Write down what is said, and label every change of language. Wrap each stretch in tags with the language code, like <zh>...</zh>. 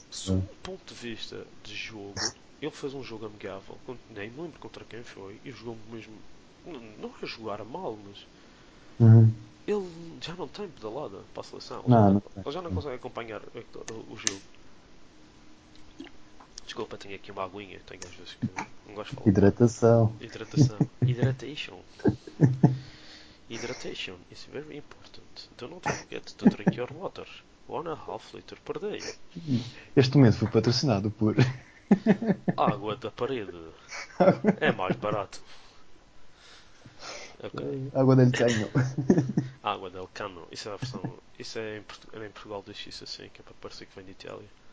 <pt>sob um ponto de vista de jogo, ele fez um jogo amigável, nem me lembro contra quem foi, e jogou mesmo. Não é jogar mal, mas. Ele já não tem pedalada para a seleção, Não, ele já não consegue acompanhar o jogo. Desculpa, tenho aqui uma aguinha, tenho às vezes que. Não gosto de falar muito. hidratação. Hidratação. Hydration.</pt> <en>Hydration is very important. Do not forget to drink your water. 1.5 liter per day.</en> <pt>Este momento foi patrocinado por Água da parede. É mais barato. Ok.</pt> <es>água del caño.</es> <pt>Água del cano. Isso é a versão. Isso é em Portugal diz isso assim, que é para parecer que vem de Itália.</pt>